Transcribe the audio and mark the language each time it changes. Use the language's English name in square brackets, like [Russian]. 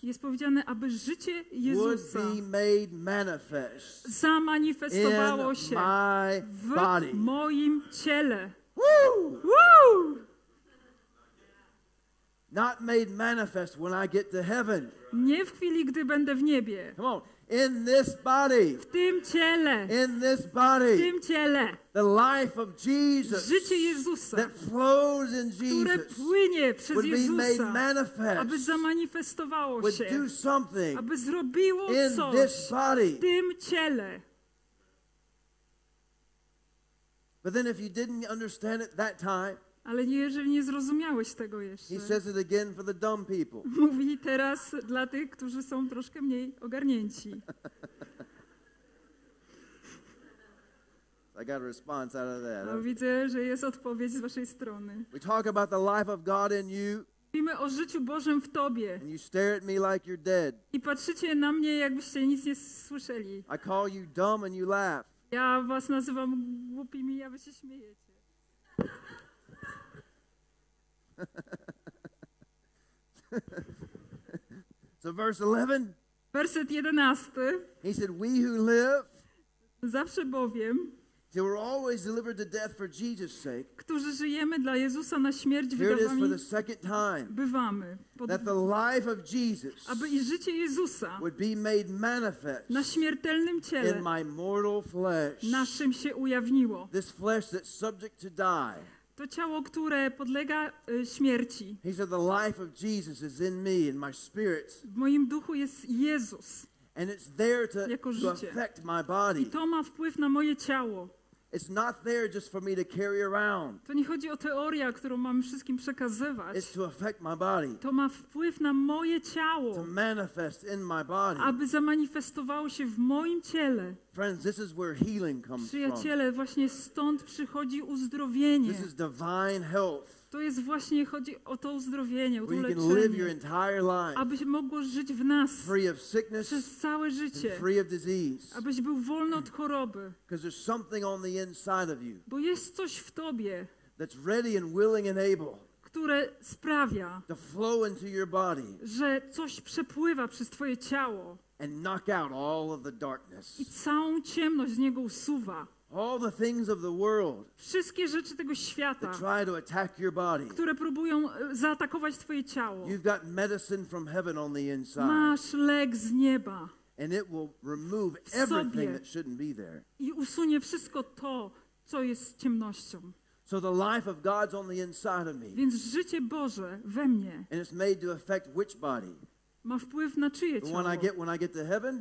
[Polish] jest powiedziane, aby życie Jezusa [English] would be made manifest [Polish] zamanifestowało [English] in [Polish] się [English] my [Polish] w [English] body. [Polish] Moim ciele. Woo! Woo! [English] Not made manifest when I get to heaven. [Polish] Nie w chwili, gdy będę w niebie. [English] Come on. In this body. [Polish] W tym ciele. [English] In this body. [Polish] W tym ciele. [English] The life of Jesus. [Polish] Życie Jezusa. [English] That flows in Jesus. [Polish] Które płynie przez Jezusa. [English] Would be made manifest. [Polish] Aby zamanifestowało [English] would [Polish] się. [English] Do something. [Polish] Aby zrobiło [English] in [Polish] coś. [English] In this body. [Polish] W tym ciele. [English] But then if you didn't understand it that time. [Polish] Ale jeżeli nie zrozumiałeś tego jeszcze. [English] He says it again for the dumb people. [Polish] Mówi teraz dla tych, którzy są troszkę mniej ogarnięci. [English] I got a response out of that. [Polish] No, widzę, że jest odpowiedź z waszej strony. [English] We talk about the life of God in you. [Polish] Mówimy o życiu Bożym w tobie. [English] And you stare at me like you're dead. [Polish] I patrzycie na mnie, jakbyście nic nie słyszeli. [English] I call you dumb and you laugh. [Polish] Ja was nazywam głupimi, a wy się śmiejecie. [English] Ha, ha, ha. So verse 11. [Polish] Werset 11. [English] He said, "We who live, [Polish] zawsze bowiem, [English] who are always delivered to death for Jesus' sake, [Polish] którzy żyjemy dla Jezusa na śmierć, [English] here it is for the second time, [Polish] bywamy, [English] that the life of Jesus, [Polish] aby i życie Jezusa, [English] would be made manifest [Polish] na śmiertelnym ciele, [English] in my mortal flesh, [Polish] naszym się ujawniło, [English] this flesh that's subject to die." [Polish] To ciało, które podlega śmierci. [English] He said, "The life of Jesus is in me, in my spirit." [Polish] W moim duchu jest Jezus. [English] And it's there to, [Polish] jako życie. [English] To affect my body. [Polish] I to ma wpływ na moje ciało. [English] It's not there just for me to carry around. [Polish] To nie chodzi o teorię, którą mam wszystkim przekazywać. [English] It's to affect my body. [Polish] To ma wpływ na moje ciało. [English] To manifest in my body. [Polish] Aby zamanifestowało się w moim ciele. [English] Friends, this is where healing comes from. [Polish] Przyjaciele, właśnie stąd przychodzi uzdrowienie. [English] This is divine health. [Polish] To jest właśnie, chodzi o to uzdrowienie, o to leczenie. [English] Where you can live your entire life. [Polish] Abyś mogło żyć w nas. [English] Free of sickness. [Polish] Przez całe życie. [English] And free of disease. [Polish] Abyś był wolny od choroby. [English] Because there's something on the inside of you. [Polish] Bo jest coś w tobie. [English] That's ready and willing and able. [Polish] Które sprawia. [English] To flow into your body. [Polish] Że coś przepływa przez twoje ciało. [English] And knock out all of the darkness. [Polish] I całą ciemność z niego usuwa. [English] All the things of the world. [Polish] Wszystkie rzeczy tego świata. [English] That try to attack your body. [Polish] Które próbują zaatakować twoje ciało. [English] You've got medicine from heaven on the inside. [Polish] Masz lek z nieba. [English] And it will remove everything that shouldn't be there. [Polish] I usunie wszystko to, co jest ciemnością. [English] So the life of God's on the inside of me. [Polish] Więc życie Boże we mnie. [English] And it's made to affect which body? [Polish] Ma wpływ na czyje ciało? [English] The one I get when I get to heaven?